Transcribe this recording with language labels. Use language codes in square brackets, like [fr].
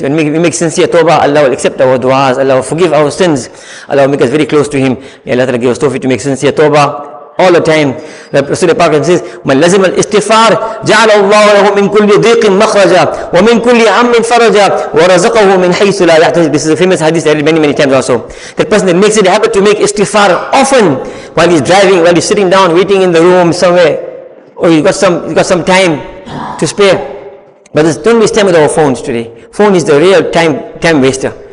[en] When we make sincere tawbah, Allah will accept our du'as, Allah will forgive our sins, Allah will make us very close to Him. May Allah give us tawfiq to make sincere tawbah all the time. Rasulullah Parker says, [ar] مَنْ لَزِمَ الْإِسْتِفَارِ جَعَلَ اللَّهُ لَهُ مِنْ كُلِّ ضِيقٍ مَخْرَجًا وَمِنْ كُلِّ عَمٍ فَرَجًا وَرَزَقَهُ مِنْ حَيْثُ لَا يَحْتَسِبُ. [en] This is a famous hadith I read many, many times also. The person that makes it a habit to make istighfar often while he's driving, while he's sitting down, waiting in the room somewhere, or you got some time to spare. Brothers, don't waste time with our phones today. Phone is the real time waster.